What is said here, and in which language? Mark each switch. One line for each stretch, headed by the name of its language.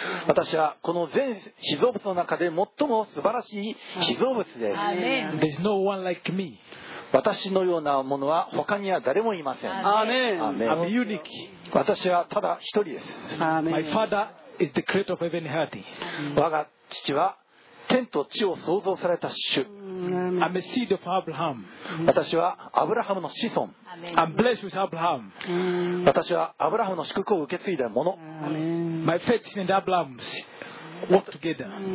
Japanese: 私はこの全秘蔵物の中で最も素晴らしい秘蔵物です。
English: There's no one like me.
Japanese: 私のようなものは他には誰もいません。
English: Amen. I'm unique.
Japanese: 私はただ一人です。
English: Amen. My father is the creator of heaven and earth.
Japanese: 我が父は天と地を創造された主。
English: I'm a seed of Abraham.
Japanese: 私はアブラハムの子孫。
English: I'm blessed with Abraham.
Japanese: 私はアブラハムの祝福を受け継いだもの。
English: My faith and Abraham's work together.